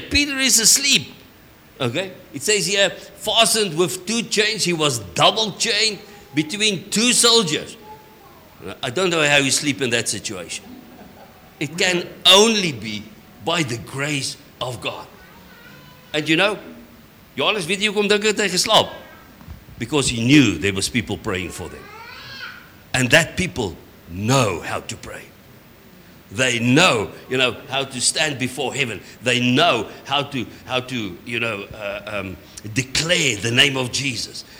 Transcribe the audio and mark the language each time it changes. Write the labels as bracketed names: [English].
[English] Peter is asleep. Okay? It says here, fastened with two chains. He was double chained between two soldiers. I don't know how you sleep in that situation. It can only be by the grace of God. And you know, [Afrikaans] Johannes, weet jy hoekom dink hy het geslaap? [English] Because he knew there was people praying for them. And that people know how to pray. They know, you know, how to stand before heaven. They know how to declare the name of Jesus.